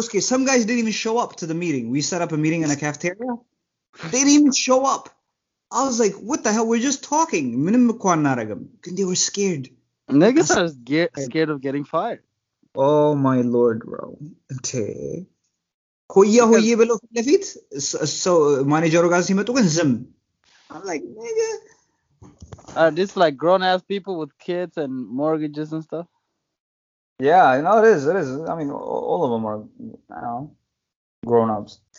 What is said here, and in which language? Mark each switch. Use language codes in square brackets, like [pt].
[en] Some guys didn't even show up to the meeting. We set up a meeting in a cafeteria. They didn't even show up. I was like, what the hell? We're just talking. [am] ምንም እኮ አናረግም. ግን [en] they were scared. Niggas are scared of getting fired. Oh my lord, bro. Okay. [am] ኮያ ሆዬ ብለው ፊት ለፊት ማኔጀሩ ጋር ሲመጡ ግን ዝም. [en] I'm like, nigga. This like grown-ass people with kids and mortgages and stuff? Yeah, you know, it is. I mean, all of them are, I don't know, grown-ups.